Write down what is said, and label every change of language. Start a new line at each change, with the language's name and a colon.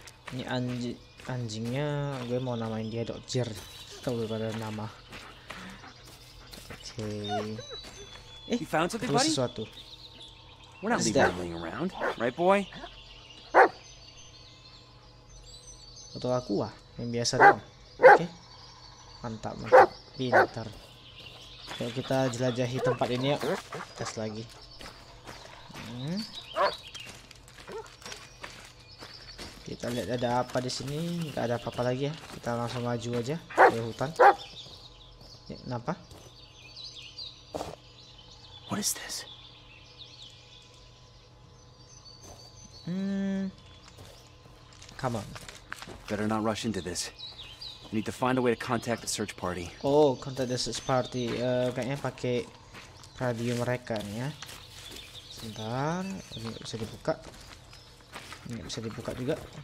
Indonesian: Ini anjingnya, gue mau namain dia DraciuZ. Tahu daripada nama. Okay.
English: You found something,
Indonesian: buddy? Sesuatu.
English: We're not rambling around, right, boy?
Indonesian: Foto aku ah, yang biasa dong. Okay. Mantap. Pintar. Yuk kita jelajahi tempat ini yuk. Tes lagi. Kita lihat ada apa di sini. Gak ada apa-apa lagi ya. Kita langsung maju aja ke hutan. Ya, kenapa?
English: What is this? Come on. Better not rush into this. We need to find a way to contact the search party. Oh, contact the search party.
Indonesian: Kayaknya pakai radio mereka nih ya. Sebentar, ini gak bisa dibuka. Ini gak bisa dibuka juga.